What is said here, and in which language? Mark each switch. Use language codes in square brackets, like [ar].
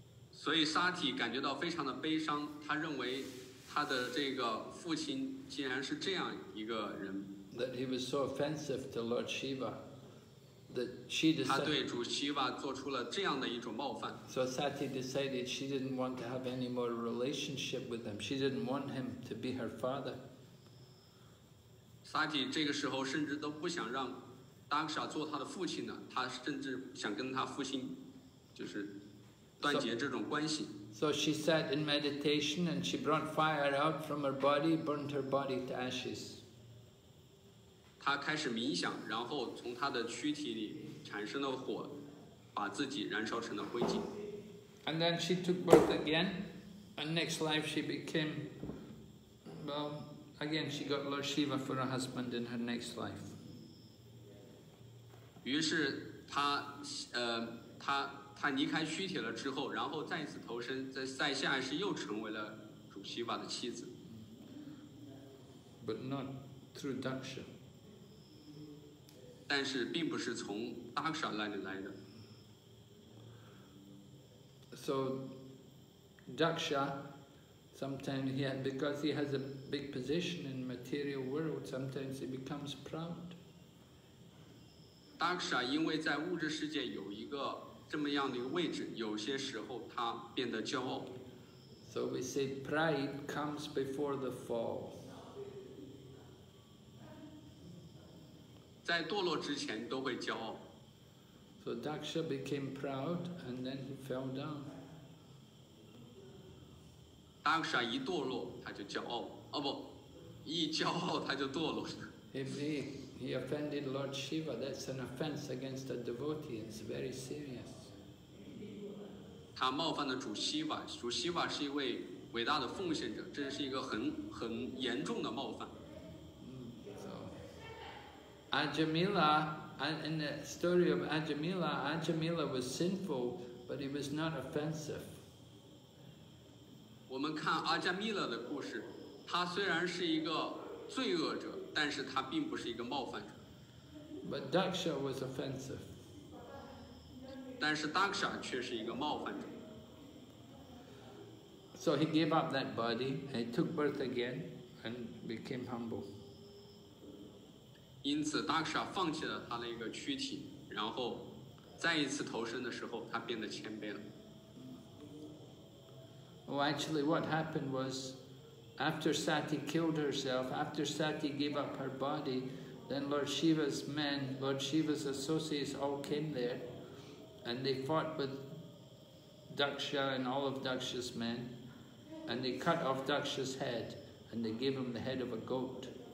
[zh] 所以 Sati 感觉到非常的悲伤，他认为他的这个父亲竟然是这样一个人。 [en] That he was so offensive to Lord Shiva, that she decided. [zh] 他对主 Shiva 做出了这样的一种冒犯。 [en] So Sati decided she didn't want to have any more relationship with him. She didn't want him to be her father. [zh] Sati 这个时候甚至都不想让 Daksha 做他的父亲了，他甚至想跟他父亲就是断绝这种关系。 [en] So she sat in meditation and she brought fire out from her body, burnt her body to ashes. [zh] 她开始冥想，然后从她的躯体里产生了火，把自己燃烧成了灰烬。 [en] And then she took birth again, and next life she became, well,Again, she got Lord Shiva for her husband in her next life. [zh] 于是她，她离开躯体了之后，然后再次投身，在下一世又成为了主希瓦的妻子。 [en] But not through Daksha. [zh] 但是并不是从 Daksha 那里来的。 [en] So, Daksha. Sometimes he had, because he has a big position in the material world, sometimes he becomes proud. [zh] Daksha, 因为在物质世界有一个这么样的一个位置，有些时候他变得骄傲。 [en] So we say pride comes before the fall. [zh] 在堕落之前都会骄傲。 [en] So Daksha became proud and then he fell down. [zh] Daksha 一堕落他就骄傲，哦不，一骄傲他就堕落。 [en] He offended Lord Shiva, that's an offense against a devotee, it's very serious. [zh] 他冒犯了主希瓦，主希瓦是一位伟大的奉献者，这是一个很严重的冒犯。 [en] So, Ajamila, in the story of Ajamila, Ajamila was sinful, but he was not offensive. [zh] 我们看阿加米勒的故事，他虽然是一个罪恶者，但是他并不是一个冒犯者。 [en] But Daksha was offensive. [zh] 但是 Daksha 却是一个冒犯者。 [en] So he gave up that body, he took birth again, and became humble. [zh] 因此 Daksha 放弃了他的一个躯体，然后再一次投身的时候，他变得谦卑了。 [en] Well, actually, what happened was, after Sati killed herself, after Sati gave up her body, then Lord Shiva's men, Lord Shiva's associates all came there, and they fought with Daksha and all of Daksha's men, and they cut off Daksha's head, and they gave him the head of a goat.